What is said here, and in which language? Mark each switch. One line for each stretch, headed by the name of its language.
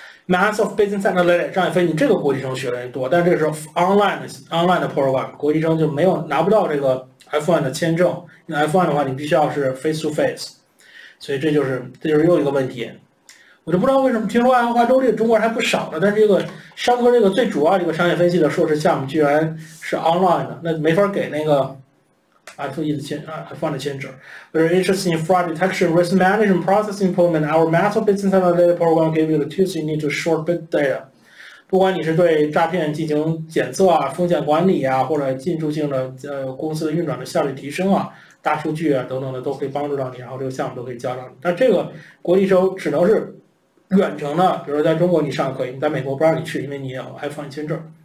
Chinese: Mass of Business Analytics 张一飞，你这个国际生学的多，但这是 online 的 program， 国际生就没有拿不到这个 F1 的签证，因为 F1 的话你必须要是 face to face，所以这就是又一个问题。我就不知道为什么听说爱荷华州这个中国人还不少呢，但是这个商科这个最主要这个商业分析的硕士项目居然是 online 的，那没法给那个 F1的签证。
English: We're interested in fraud detection, risk management, process improvement. Our master business analytics program gave you the tools you need to short big data.
Chinese: 不管你是对诈骗进行检测啊，风险管理啊，或者进驻性的公司运转的效率提升啊，大数据啊等等的都可以帮助到你，然后这个项目都可以教到你。但这个国际生只能是远程的，比如说在中国你上可以，你在美国不让你去，因为你有 F1 签证。